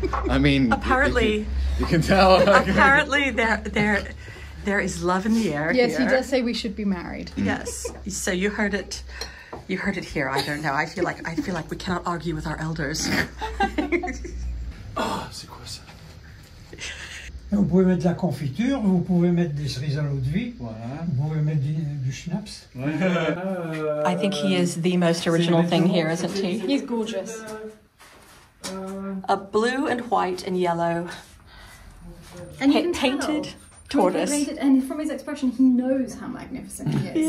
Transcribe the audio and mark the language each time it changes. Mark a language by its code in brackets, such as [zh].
[en] I mean, apparently, you can tell. Apparently, there is love in the air. Yes, here. He does say we should be married. Yes, so you heard it. You heard it here. I don't know. I feel like we cannot argue with our elders. [fr] Ah, oh, c'est quoi ça? Vous pouvez mettre de la confiture, vous pouvez mettre des cerises à l'eau de vie. Voilà. Vous pouvez mettre du schnapps. [en] I think he is the most original thing here, isn't he? He's gorgeous. A blue and white and yellow. And painted tortoise. And from his expression, he knows how magnificent he is.